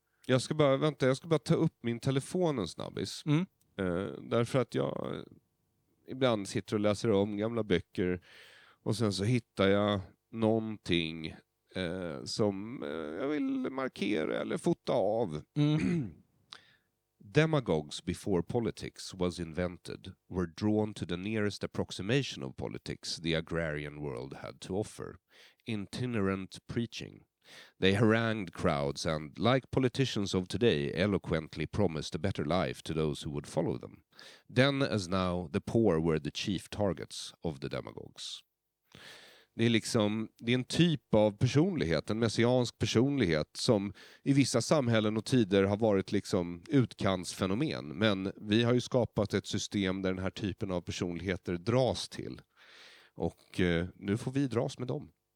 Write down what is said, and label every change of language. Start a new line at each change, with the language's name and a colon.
Swedish: jag ska bara vänta, jag ska bara ta upp min telefon en snabbis. Mm. Därför att jag ibland sitter och läser om gamla böcker och sen så hittar jag någonting som jag vill markera eller fota av. Mm.
English: Demagogues before politics was invented were drawn to the nearest approximation of politics the agrarian world had to offer. Itinerant preaching. They harangued crowds and, like politicians of today, eloquently promised a better life to those who would follow them. Then, as now, the poor were the chief targets of the demagogues.
Swedish: Det är liksom, det är en typ av personlighet, en messiansk personlighet som i vissa samhällen och tider har varit liksom utkantsfenomen. Men vi har ju skapat ett system där den här typen av personligheter dras till. Och nu får vi dras med dem.